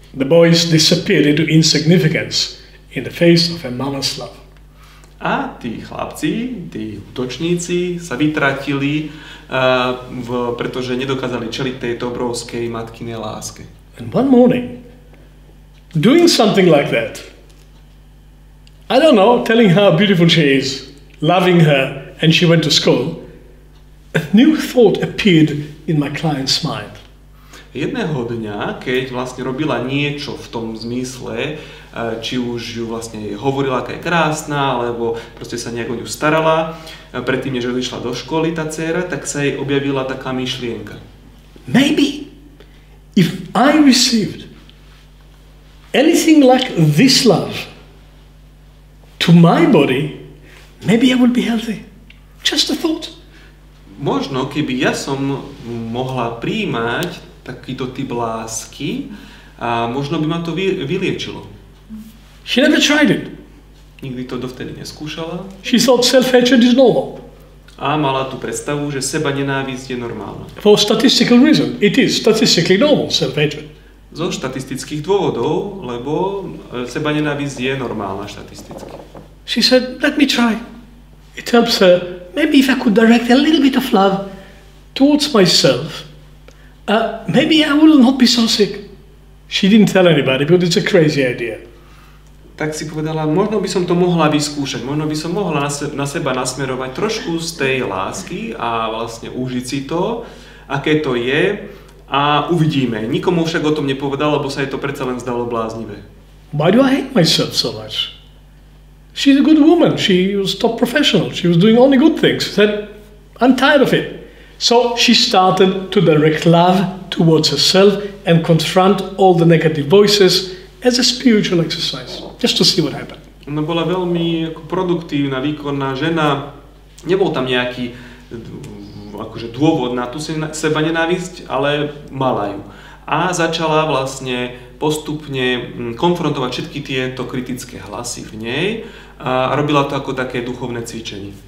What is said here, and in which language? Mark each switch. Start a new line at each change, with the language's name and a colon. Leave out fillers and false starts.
English: The boys disappeared into insignificance in the face of her mama's love.
Slovak: A tí chlapci, tí útočníci sa vytratili, pretože nedokázali čeliť tejto obrovskej matkinej láske.
English: And one morning, doing something like that, I don't know, telling how beautiful she is, loving her, and she went to school, a new thought appeared in my client's mind.
Slovak: Jedného dňa, keď vlastne robila niečo v tom zmysle, či už ju vlastne hovorila, aká je krásna, alebo proste sa nejak o ňu starala, predtým, než vyšla do školy tá dcera, tak sa jej objavila taká myšlienka.
English: Maybe if I received anything like this love to my body, maybe I would be healthy. Just a thought.
Slovak: Možno, keby ja som mohla prijímať takýto typ lásky, a možno by ma to vyliečilo.
English: She never tried it.
Slovak: Nikdy to dovtedy neskúšala.
English: She thought self-hatred is normal.
Slovak: A mala tú predstavu, že seba nenávisť je normálna.
English: For statistical reason, it is statistically normal self-hatred.
Slovak: Zo štatistických dôvodov, lebo seba nenávisť je normálna štatisticky.
English: She said, let me try. It helps her. Maybe if I could direct a little bit of love towards myself, maybe I will not be so sick. She didn't tell anybody, but it's a crazy idea.
Slovak: Tak si povedala, možno by som to mohla vyskúšať, možno by som mohla na seba nasmerovať trošku z tej lásky a vlastne užiť si to, aké to je, a uvidíme. Nikomu však o tom nepovedal, lebo sa jej to predsa len zdalo bláznivé.
English: Why do I hate myself so much? She's a good woman, she was top professional, she was doing only good things. She said, I'm tired of it. So she started to direct love towards herself and confront all the negative voices as a spiritual exercise, just to see what happened.
Slovak: Ona bola veľmi produktívna, výkonná žena. Nebol tam nejaký akože dôvod na tú seba nenávisť, ale mala ju. A začala vlastne postupne konfrontovať všetky tieto kritické hlasy v nej a robila to ako také duchovné cvičenie.